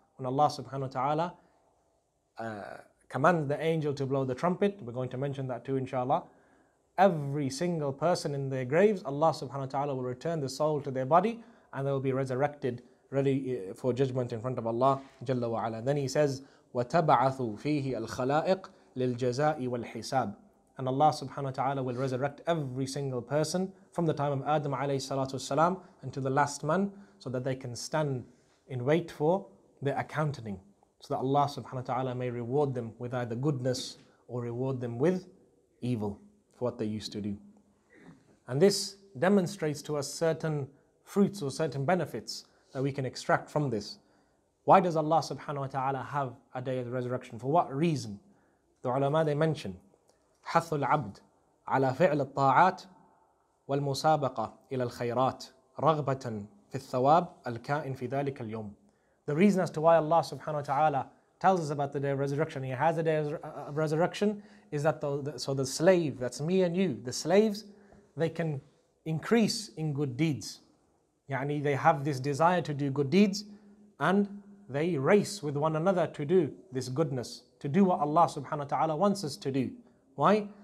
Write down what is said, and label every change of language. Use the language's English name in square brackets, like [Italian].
[English] When Allah subhanahu wa ta'ala commands the angel to blow the trumpet, we're going to mention that too inshallah, every single person in their graves, Allah subhanahu wa ta'ala will return the soul to their body and they will be resurrected ready for judgment in front of Allah jalla wa ala. Then he says, [Arabic] وَتَبَعَثُ فِيهِ الْخَلَائِقِ لِلْجَزَاءِ وَالْحِسَابِ. [English] And Allah subhanahu wa ta'ala will resurrect every single person from the time of Adam alayhi salatu wasalam until the last man so that they can stand in wait for the accounting, so that Allah subhanahu wa ta'ala may reward them with either goodness or reward them with evil for what they used to do. And this demonstrates to us certain fruits or certain benefits that we can extract from this. Why does Allah subhanahu wa ta'ala have a day of the resurrection? For what reason? The ulama, they mention, [Arabic] حث العبد على فعل الطاعات والمسابقة إلى الخيرات رغبة في الثواب الكائن في ذلك اليوم. [English] The reason as to why Allah subhanahu wa ta'ala tells us about the day of resurrection, He has a day of resurrection, is that the slave, that's me and you, the slaves, they can increase in good deeds. Yani they have this desire to do good deeds, and they race with one another to do this goodness, to do what Allah subhanahu wa ta'ala wants us to do. Why?